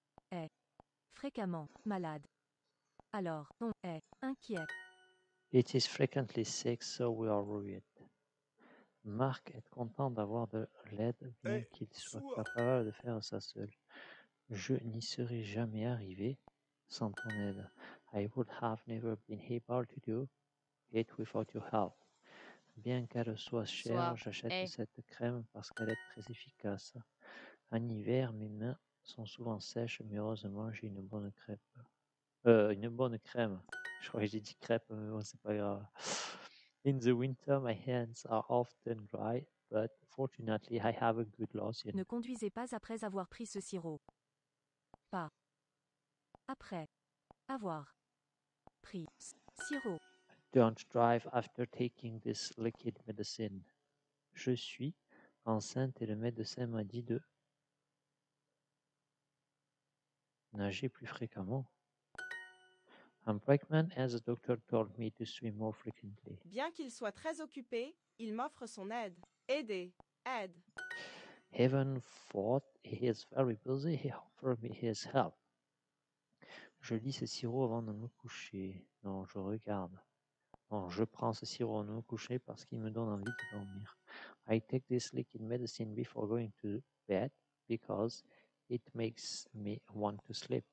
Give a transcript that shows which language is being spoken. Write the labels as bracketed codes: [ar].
[fr] Est fréquemment malade. Alors, on est inquiet. [en] It is frequently sick, so we are worried. [fr] Mark est content d'avoir de l'aide, bien qu'il soit capable de faire ça seul. Je n'y serais jamais arrivé sans ton aide. [en] I would have never been able to do it without your help. [fr] Bien qu'elle soit chère, j'achète cette crème parce qu'elle est très efficace. En hiver, mes mains sont souvent sèches, mais heureusement, j'ai une bonne crêpe. Une bonne crème. Je crois que j'ai dit crêpe, mais bon, c'est pas grave. [en] In the winter, my hands are often dry, but fortunately, I have a good lotion. [fr] Ne conduisez pas après avoir pris ce sirop. Pas après avoir pris sirop. [en] Don't drive after taking this liquid medicine. [fr] Je suis enceinte et le médecin m'a dit de Nager plus fréquemment. [en] Un brakeman, as the doctor told me to swim more frequently. [fr] Bien qu'il soit très occupé, il m'offre son aide. Aider. Aide. [en] Heaven thought he is very busy. He offered me his help. [fr] Je lis ce sirop avant de me coucher. Non, je regarde. Non, je prends ce sirop avant de me coucher parce qu'il me donne envie de dormir. [en] I take this liquid medicine before going to bed because it makes me want to sleep.